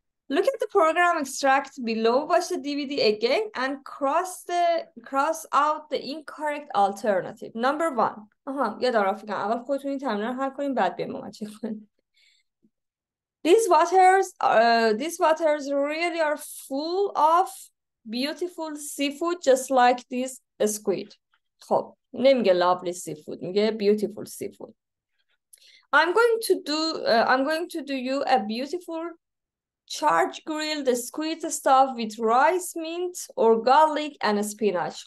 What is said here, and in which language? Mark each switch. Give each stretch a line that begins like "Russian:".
English: Look at the program extract below watch the DVD again and cross out the incorrect alternative. Number 1.
Persian: آها یاد رفتم اول خودتون تمرین رو حل کنین بعد بیام ما چک کنیم.
English: These waters really are full of beautiful seafood just like this squid.
Persian: خب نمیگه
English: lovely seafood
Persian: میگه
English: beautiful seafood. I'm going to do you a beautiful charge grill the squid stuff with rice mint or garlic and spinach.